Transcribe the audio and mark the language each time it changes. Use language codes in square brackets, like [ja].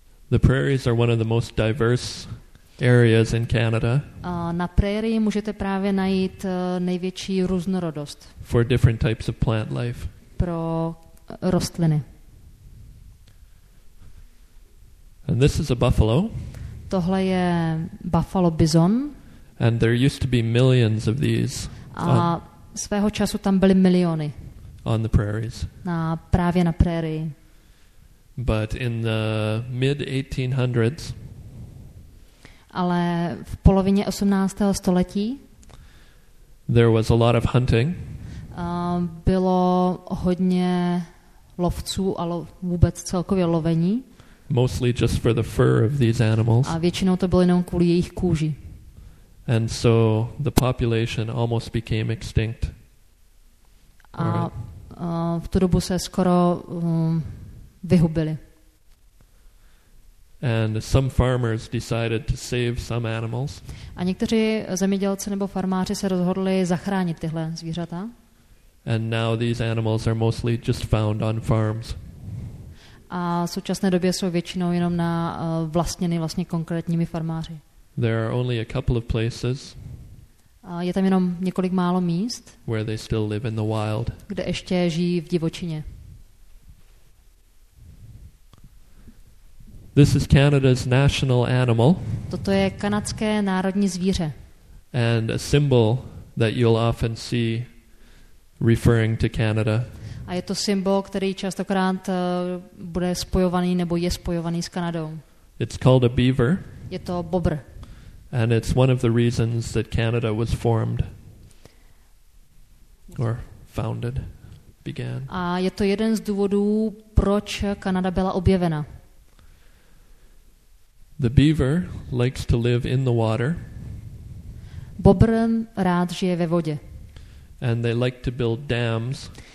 [en] The prairies are one of the most diverse areas in Canada. [cs] Na prérii můžete právě najít největší různorodost. [en] For different types of plant life. [cs] Pro rostliny. [en] And this is a buffalo. [cs] Tohle je buffalo bison. [en] And there used to be millions of these. [cs] A svého času tam byly miliony. [en] On the prairies. [cs] Na právě na prérii. [en] But in the mid 1800s. [cs] Ale v polovině 18. století. [en] There was a lot of hunting. [cs] Bylo hodně lovců a vůbec celkově lovení. [en] Mostly just for the fur of these animals. [cs] A většinou to bylo jenom kvůli jejich kůži. [en] And so the population almost became extinct. [cs] A v tu dobu se skoro vyhubili. [en] And some farmers decided to save some animals. [cs] A někteří zemědělci nebo farmáři se rozhodli zachránit tyhle zvířata. [en] And now these animals are mostly just found on farms. [cs] A v současné době jsou většinou jenom na vlastněny vlastně konkrétními farmáři. [en] There are only a couple of places. [cs] Je tam jenom několik málo míst. [en] Where they still live in the wild. [cs] Kde ještě žijí v divočině. [en] This is Canada's national animal. [cs] Toto je kanadské národní zvíře. [en] And a symbol that you'll often see referring to Canada. [cs] A je to symbol, který častokrát bude spojovaný nebo je spojovaný s Kanadou. [en] It's called a beaver. [cs] Je to bobr. [en] And it's one of the reasons that Canada was formed or founded, began. [cs] A je to jeden z důvodů, proč Kanada byla objevena. [en] The beaver likes to live in the water. [cs] Bobr rád žije ve vodě. [en] And they like to build dams.